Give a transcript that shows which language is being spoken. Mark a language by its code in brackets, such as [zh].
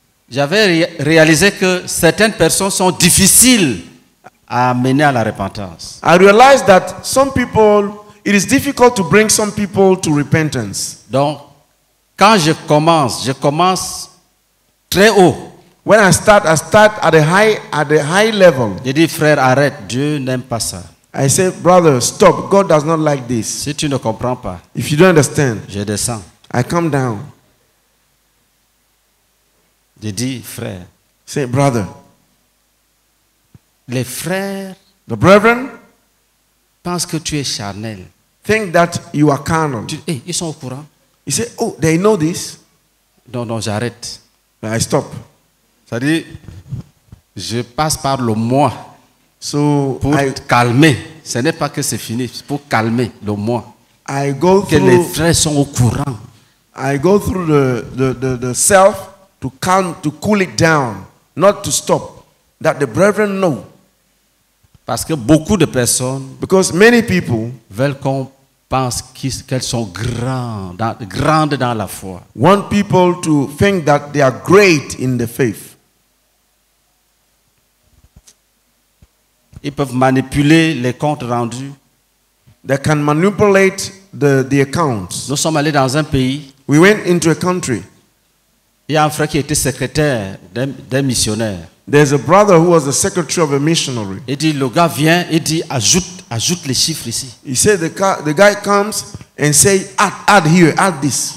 [fr] J'avais réalisé que certaines personnes sont difficiles à mener à la repentance. [en] I realized that some people, it is difficult to bring some people to repentance. [fr] Donc, quand je commence très haut. [en] When I start at a high level. [fr] Je dis frère, arrête, Dieu n'aime pas ça. [en] I say brother, stop, God does not like this. [fr] Si tu ne comprends pas. [en] If you don't understand. [fr] Je descends. [en] I come down. [fr] Je dis frère. [en] Say brother. [fr] Les frères. [en] The brethren. [fr] Pensent que tu es charnel. [en] Think that you are carnal. [fr] Ils sont au courant. [en] He said, oh, they know this. [fr] Non, j'arrête. [en] I stop. [fr] C'est-à-dire, je passe par le moi. [en] So [fr] pour calmer. Ce n'est pas que c'est fini. C'est pour calmer le moi. [en] I go through, [fr] que les frères sont au courant. [en] I go through the self to calm, to cool it down. Not to stop. That the brethren know. [fr] Parce que beaucoup de personnes, [en] because many people, [fr] veulent qu'on pense qu'elles sont grandes dans la foi. [en] Want people to think that they are great in the faith. [fr] Ils peuvent manipuler les comptes rendus. [en] They can manipulate the accounts. [fr] Nous sommes allés dans un pays. [en] We went into a country. [fr] Il y a un frère qui était secrétaire d'un missionnaire. [en] There's a brother who was the secretary of a missionary. [fr] Il dit, le gars vient, il dit, ajoute les chiffres ici. [en] He said, the guy comes and say, add here, add this.